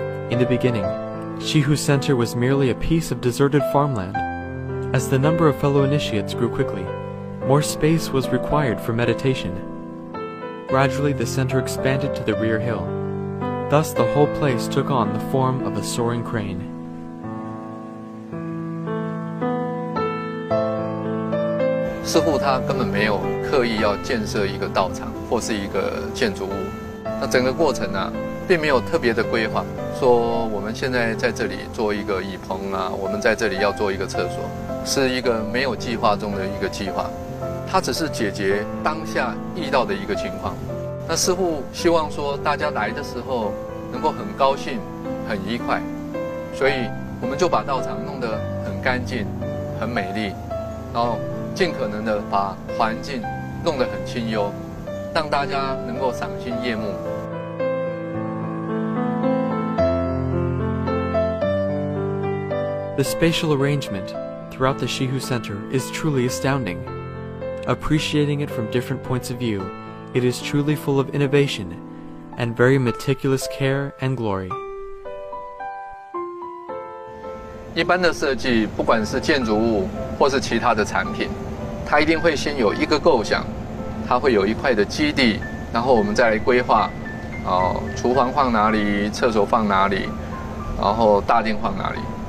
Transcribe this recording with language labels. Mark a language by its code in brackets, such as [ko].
[en] In the beginning,Shihu Center was merely a piece of deserted farmland. As the number of fellow initiates grew quickly, more space was required for meditation. Gradually, the center expanded to the rear hill. Thus, the whole place took on the form of a soaring crane. [zh] Shi Hu 他根本没有刻意要建设一个道场或是一个建筑物。那整个过程呢，并没有特别的规划。说我们现在在这里做一个椅棚啊，我们在这里要做一个厕所，是一个没有计划中的一个计划，它只是解决当下遇到的一个情况。那师父希望说大家来的时候能够很高兴很愉快，所以我们就把道场弄得很干净很美丽，然后尽可能的把环境弄得很清幽，让大家能够赏心悦目。 [en] The spatial arrangement throughout the Shihu Center is truly astounding. Appreciating it from different points of view, it is truly full of innovation and very meticulous care and glory. [zh] 一般的设计，不管是建筑物或是其他的产品，它一定会先有一个构想，它会有一块的基地，然后我们再来规划，厨房放哪里，厕所放哪里，然后大厅放哪里。